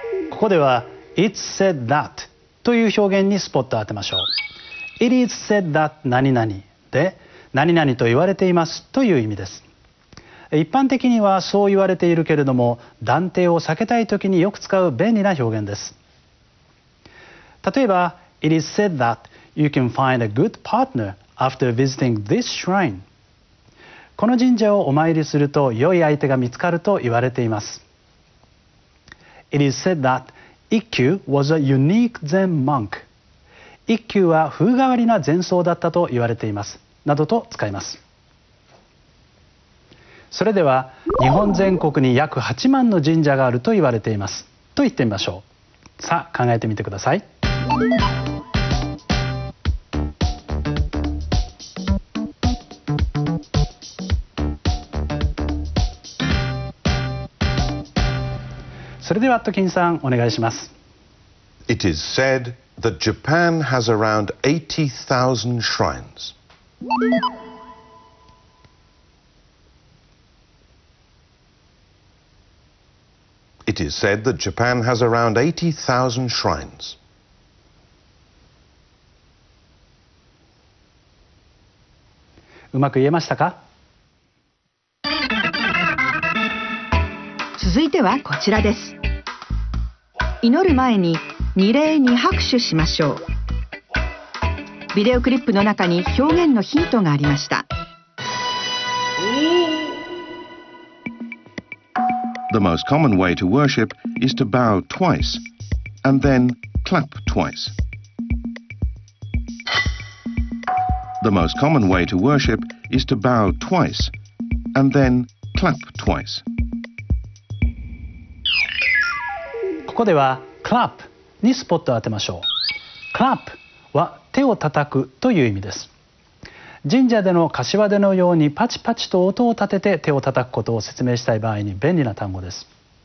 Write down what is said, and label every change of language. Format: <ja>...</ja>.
<ja>ここでは、</ja> <en>It's said that</en> <ja>という表現にスポットを当てましょう。</ja> <en>It is said that</en> <ja>何々で、何々と言われていますという意味です。一般的にはそう言われているけれども、断定を避けたいときによく使う便利な表現です。例えば、</ja> <en>It is said that you can find a good partner after visiting this shrine.</en> <ja>この神社をお参りすると良い相手が見つかると言われています。</ja> <en>It is said that 一休 was a unique Zen monk.</en> <ja>一休は風変わりな禅僧だったと言われています。などと使います。それでは、日本全国に約8万の神社があると言われていますと言ってみましょう。さあ、考えてみてください。それでは、アットキンさん、お願いします。</ja> <en>It is said that Japan has around 80,000 shrines. It is said that Japan has around 80,000 shrines.</en> <ja>うまく言えましたか？続いてはこちらです。祈る前に二礼二拍手しましょう。ビデオクリップの中に表現のヒントがありました。</ja> <en>The most common way to worship is to bow twice and then clap twice. The most common way to worship is to bow twice and then clap twice.</en> <ja>ここでは clap にスポットを当てましょう。 clap は手を叩くという意味です。神社での柏手のようにパチパチと音を立てて手を叩くことを説明したい場合に便利な単語です。</ja>